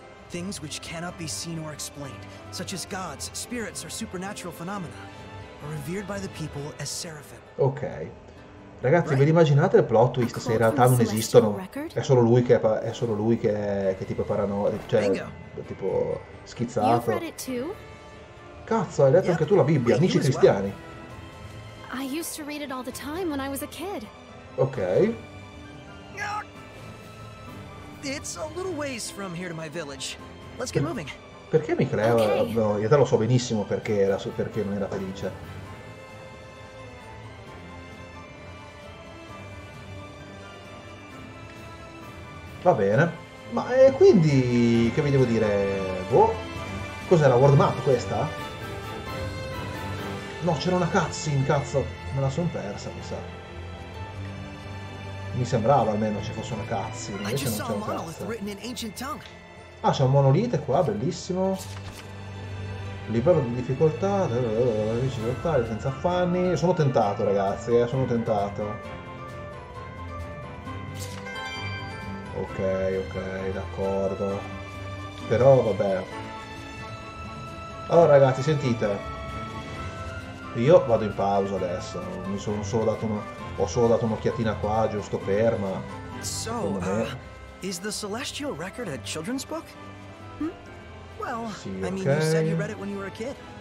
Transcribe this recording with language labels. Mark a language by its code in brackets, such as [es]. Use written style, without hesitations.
[en] Things which cannot be seen or explained, such as gods, spirits, or supernatural phenomena, are revered by the people as seraphim. Okay. [it] Ragazzi, ve li immaginate il plot twist se in realtà non esistono? È solo lui che è solo lui che tipo paranoico, cioè tipo schizzato. Cazzo, hai letto anche tu la Bibbia, amici cristiani? [en] I used to read it all the time when I was a kid. Ok. It's a little ways from here to my village. Let's get moving. [it] Perché Micrea? No, io te lo so benissimo perché era, perché non era felice. Va bene. Ma quindi che vi devo dire? Boh. Cos'è la world map questa? No, c'era una cutscene, cazzo. Me la son persa, mi sa. Mi sembrava almeno ci fosse una cutscene. Invece non c'è un cazzo. Ah, c'è un monolite qua, bellissimo. Livello di difficoltà. Difficoltà senza affanni. Sono tentato, ragazzi, sono tentato. Ok, ok, d'accordo. Però vabbè. Allora, ragazzi, sentite. Io vado in pausa adesso. Mi sono solo dato uno. Ho solo dato un'occhiatina qua, giusto per, ma. [en] So, is the Celestial Record a children's book? Well, [it] sì, okay. [en] I mean, you said you read it when you were a kid.